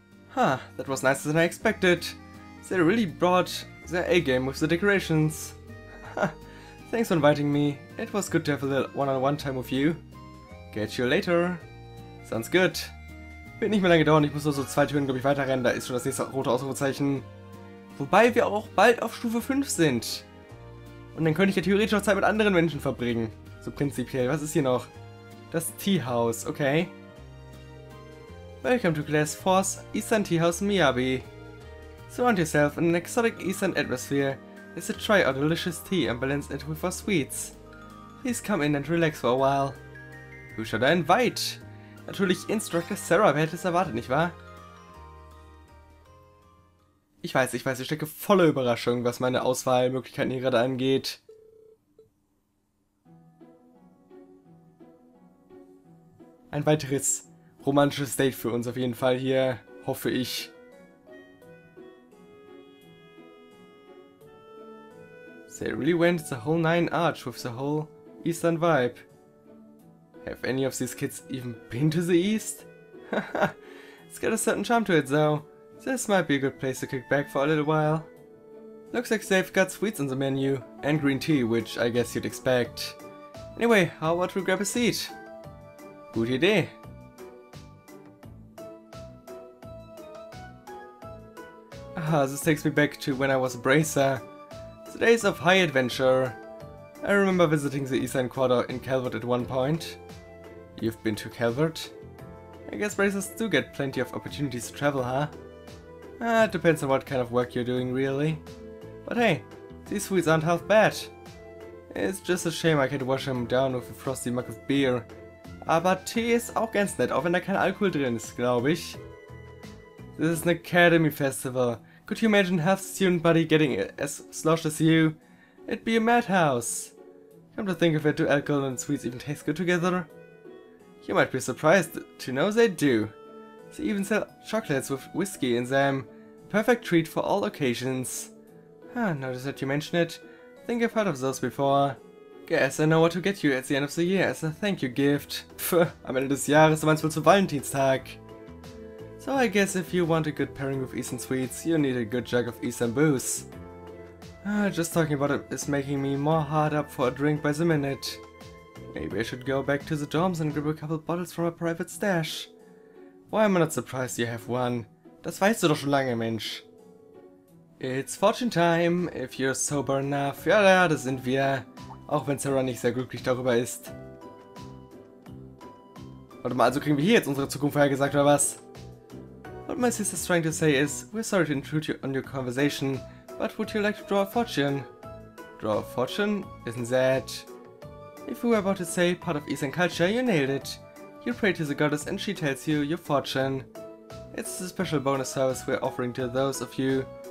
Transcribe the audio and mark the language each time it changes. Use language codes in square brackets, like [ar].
[en] Huh, that was nicer than I expected. They really brought their A-game with the decorations. Thanks for inviting me. It was good to have a little one-on-one time with you. Catch you later. Sounds good. [de] Wird nicht mehr lange dauern, ich muss nur so zwei Türen, glaube ich, weiterrennen, da ist schon das nächste rote Ausrufezeichen. Wobei wir auch bald auf Stufe 5 sind. Und dann könnte ich ja theoretisch auch Zeit mit anderen Menschen verbringen. So prinzipiell, was ist hier noch? Das Tea House, okay. [en] Welcome to Class 4's Eastern Tea House Miyabi. Surround yourself in an exotic Eastern atmosphere. It's a try our delicious tea and balance it with our sweets. Please come in and relax for a while. Who should I invite? [de] Natürlich Instructor Sarah, wer hätte es erwartet, nicht wahr? Ich weiß, ich stecke voller Überraschung, was meine Auswahlmöglichkeiten hier gerade angeht. Ein weiteres romantisches Date für uns auf jeden Fall hier, hoffe ich. [en] They really went the whole nine arch with the whole Eastern vibe. Have any of these kids even been to the East? It's got a certain charm to it, though. This might be a good place to kick back for a little while. Looks like they've got sweets on the menu, and green tea, which I guess you'd expect. Anyway, how about we grab a seat? Good idea. Ah, this takes me back to when I was a bracer. The days of high adventure. I remember visiting the Eastern Quarter in Calvert at one point. You've been to Calvert? I guess bracers do get plenty of opportunities to travel, huh? It depends on what kind of work you're doing, really. But hey, these sweets aren't half bad. It's just a shame I can't wash them down with a frosty mug of beer. [de] Aber Tee ist auch ganz nett, auch wenn da kein Alkohol drin ist, glaube ich. [en] This is an academy festival. Could you imagine half student body getting as sloshed as you? It'd be a madhouse. Come to think of it, do alcohol and sweets even taste good together? You might be surprised to know they do. They even sell chocolates with whiskey in them. Perfect treat for all occasions. Notice that you mention it. Think I've heard of those before. Guess I know what to get you at the end of the year as a thank you gift. [de] Am Ende des Jahres, meinst du wohl zu Valentinstag? [en] So I guess if you want a good pairing with Eastern sweets, you need a good jug of Eastern booze. Just talking about it is making me more hard up for a drink by the minute. Maybe I should go back to the dorms and grab a couple bottles from a private stash. Why am I not surprised you have one? [de] Das weißt du doch schon lange, Mensch. [en] It's fortune time, if you're sober enough. [de] Ja, das sind wir. Auch wenn Sarah nicht sehr glücklich darüber ist. Warte mal, also kriegen wir hier jetzt unsere Zukunft vorhergesagt, oder was? [en] What my sister's trying to say is, we're sorry to intrude you on your conversation, but would you like to draw a fortune? Draw a fortune? Isn't that... If we were about to say part of Eastern culture, you nailed it. You pray to the goddess and she tells you your fortune. It's a special bonus service we're offering to those of you